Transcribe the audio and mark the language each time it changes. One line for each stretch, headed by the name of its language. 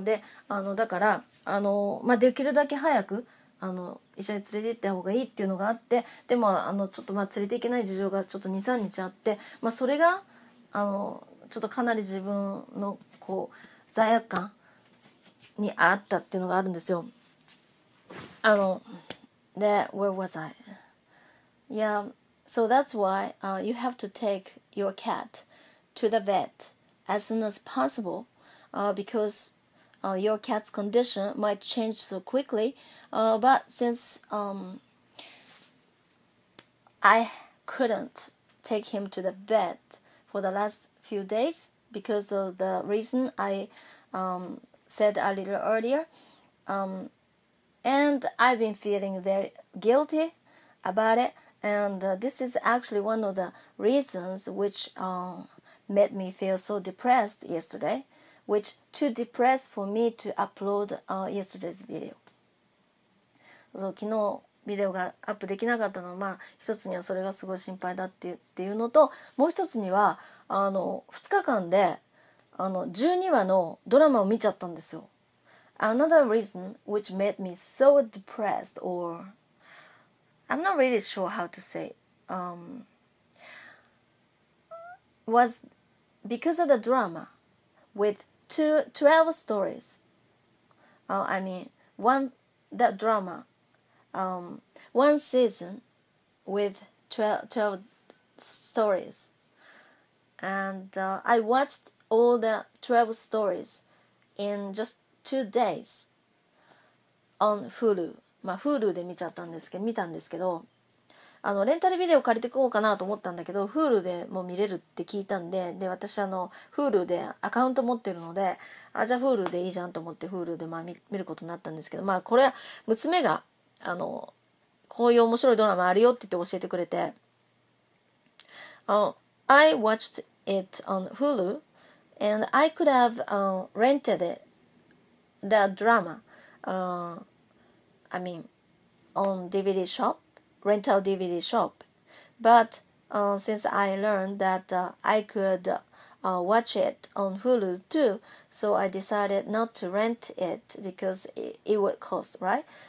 Japanese: で、あの、だから、あの、まあ、できるだけ早く、あの、医者に連れて行った方がいいっていうのがあって、でも、あの、ちょっと、まあ、連れて行けない事情がちょっと2、3日あって、まあ、それが、あの、ちょっとかなり自分の、こう、罪悪感にあったっていうのがあるんですよ。あの、
English: で、where was I? Yeah, so that's why, you have to take your cat to the vet as soon as possible, because, your cat's condition might change so quickly, but since, I couldn't take him to the vet for the last few days because of the reason I, said a little earlier, and I've been feeling very guilty about it, and this is actually one of the reasons which, made me feel so depressed yesterday. Which too depressed for me to upload yesterday's video.
Japanese: そう、昨日ビデオがアップできなかったのは、まあ、一つにはそれがすごい心配だっていう、っていうのと、もう一つには、あの、二日間で、あの、12話のドラマを見ちゃったんですよ。
English: Another reason which made me so depressed or... I'm not really sure how to say... was because of the drama. With two, 12 stories, I mean, one, that drama, one season with 12 stories. And I watched all the 12 stories in just 2 days on Hulu.
Japanese: まあ、Hulu で見ちゃったんですけど、見たんですけど、あのレンタルビデオ借りてこうかなと思ったんだけど、Hulu でも見れるって聞いたんで、で私あの Hulu でアカウント持ってるので、あじゃあ Hulu でいいじゃんと思って Hulu でまあ 見ることになったんですけど、まあこれは娘があのこういう面白いドラマあるよって言って教えてくれて、
English: I watched it on Hulu and I could have rented the drama, I mean on DVD shop. Rental DVD shop. But since I learned that I could watch it on Hulu too, so I decided not to rent it because it would cost, right?